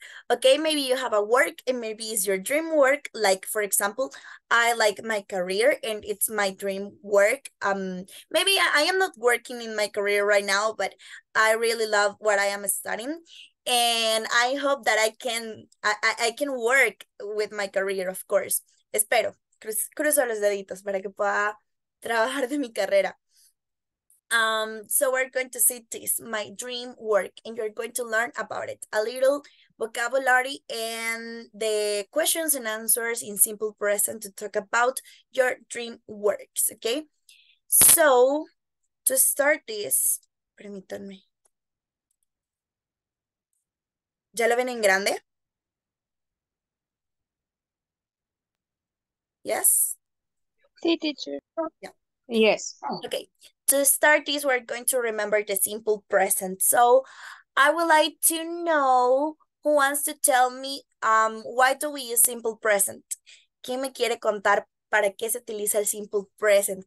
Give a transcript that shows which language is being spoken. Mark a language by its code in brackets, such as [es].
[en] Okay, maybe you have a work and maybe it's your dream work. Like, for example, I like my career and it's my dream work. Maybe I am not working in my career right now, but I really love what I am studying. And I hope that I can work with my career, of course. [es] Espero. Cruzo los deditos para que pueda trabajar de mi carrera. [en] So we're going to see this, my dream work, and you're going to learn about it. A little vocabulary and the questions and answers in simple present to talk about your dream works, okay? So to start this, [es] permítanme. ¿Ya lo ven en grande? [en] Yes. [es] Sí, teacher. [en] Yeah. Yes. Okay. To start this, we're going to remember the simple present. So I would like to know who wants to tell me why do we use simple present? [es] ¿Quién me quiere contar para qué se utiliza el simple present?